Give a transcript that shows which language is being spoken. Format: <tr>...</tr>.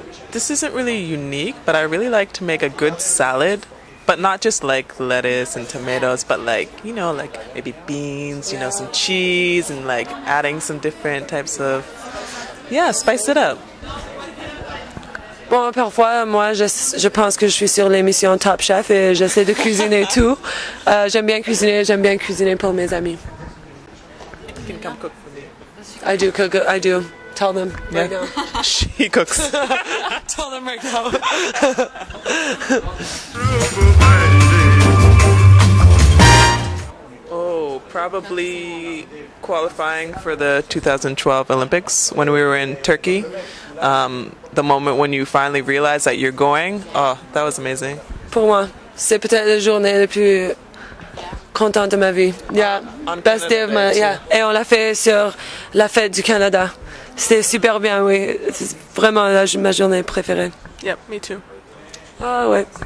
<en>This isn't really unique, but I really like to make a good salad. But not just like lettuce and tomatoes, but like, you know, like maybe beans, you know, some cheese and like adding some different types of, yeah, spice it up.</en> <fr>Bon, parfois, moi, je pense que je suis sur l'émission Top Chef et j'essaie de cuisiner tout. J'aime bien cuisiner pour mes amis.</fr> <en>You can come cook for me. I do cook, I do. Tell them yeah. Right now. She cooks. Tell them right now. Oh, probably qualifying for the 2012 Olympics when we were in Turkey. The moment when you finally realize that you're going. Oh, that was amazing.</en> <fr>Pour moi, c'est peut-être la journée la plus contente de ma vie.</fr> <en>Yeah, best day of my life. Yeah.</en> <fr>Et on l'a fait sur la fête du Canada. C'était super bien, oui. C'est vraiment ma journée préférée.</fr> <en>Yep, me too.</en> <fr>Ah ouais.</fr>